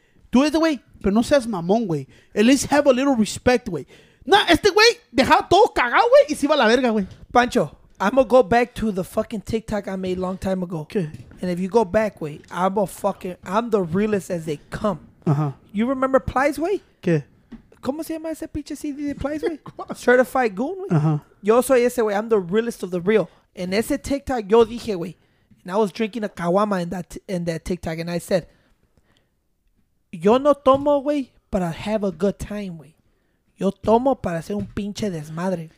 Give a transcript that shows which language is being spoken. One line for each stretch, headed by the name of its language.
English: Do it the way.
Spanish: Pero no seas mamón, güey.
English: At least have a little respect, güey.
Spanish: Nah, este güey dejaba todo cagado, güey. Y se iba a la verga, güey. Pancho.
English: I'm going to go back to the fucking TikTok I made a long time ago. Okay. And if you go back, wait, I'm the realest as they come. Uh-huh. You remember Plies, way? Okay.
Spanish: ¿Cómo se llama ese pinche CD de Plies, way?
English: Certified Goon, way? Uh-huh.
Spanish: Yo soy ese, way.
English: I'm the realest of the real. And ese TikTok,
Spanish: yo dije, way.
English: And I was drinking a caguama in that TikTok. And I said,
Spanish: yo no tomo, way,
English: but I have a good time, way.
Spanish: Yo tomo para hacer un pinche desmadre.